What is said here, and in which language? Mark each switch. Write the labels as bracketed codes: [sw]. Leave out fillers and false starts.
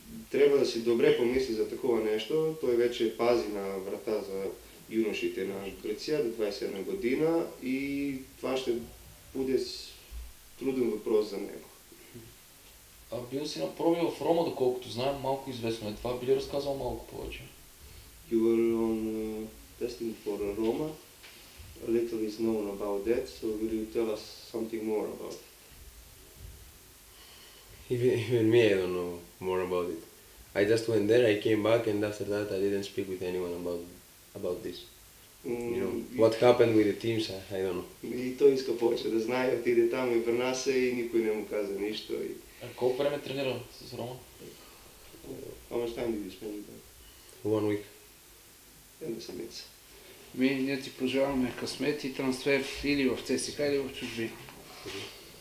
[bg] Трябва да си добре помисли за такова нещо. Той вече пази на врата за юношите на Гърция до 21 година и това ще бъде труден въпрос за него. А бил си на проби в Рома, доколкото знаем, малко известно е това. Би ли разказал малко повече? [en] You were on testing for Roma. A little is known about that, so will you tell us something more about it? Even me, I don't know more about it. I just went there, I came back, and after that, I didn't speak with anyone about this. You know, what happened with the teams, I don't know. [bg] И той иска повече да знае, отиде там и върна се и никой не му каза нищо. А колко време тренира с Рома? [en] How much time did you spend there? 1 week. [bg] Една седмица. Ние ти пожелаваме късмет и трансфер или в ЦСКА, или в чужбина.